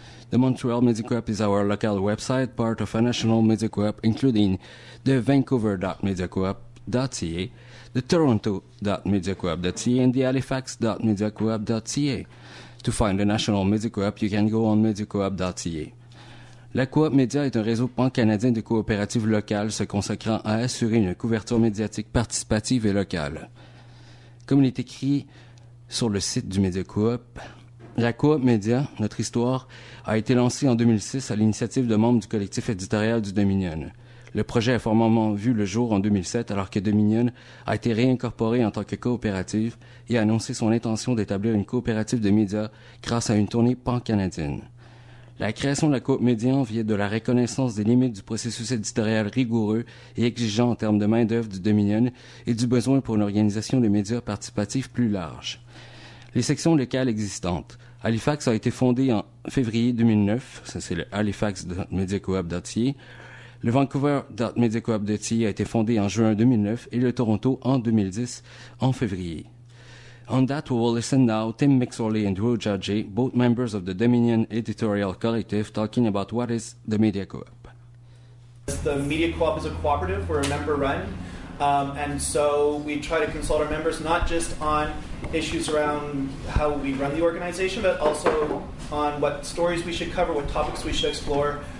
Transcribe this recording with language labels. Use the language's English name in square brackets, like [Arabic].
[English] The Montreal Media Co-op is our local website, part of a national media co-op, including the vancouver.mediacoop.ca, the toronto.mediacoop.ca, and the halifax.mediacoop.ca. To find the national media co-op, you can go on mediacoop.ca. [French] La Coop Média est un réseau pan-canadien de coopératives locales se consacrant à assurer une couverture médiatique participative et locale. Comme il est écrit sur le site du Media Co-op, la Coop Média, notre histoire, a été lancée en 2006 à l'initiative de membres du collectif éditorial du Dominion. Le projet a formellement vu le jour en 2007 alors que Dominion a été réincorporé en tant que coopérative et a annoncé son intention d'établir une coopérative de médias grâce à une tournée pan-canadienne. La création de la Coop Média vient de la reconnaissance des limites du processus éditorial rigoureux et exigeant en termes de main-d'œuvre du Dominion et du besoin pour une organisation de médias participatifs plus large. Les sections locales existantes. Halifax a été fondée en février 2009, ça c'est le halifax.mediacoop.ca. Le vancouver.mediacoop.ca a été fondé en juin 2009 et le Toronto en 2010, en février. [English] On that, we will listen now Tim McSorley and Drew Judge, both members of the Dominion Editorial Collective, talking about what is the Media Co-op. The Media Co-op is a cooperative. We're a member-run. And so we try to consult our members not just on issues around how we run the organization, but also on what stories we should cover, what topics we should explore.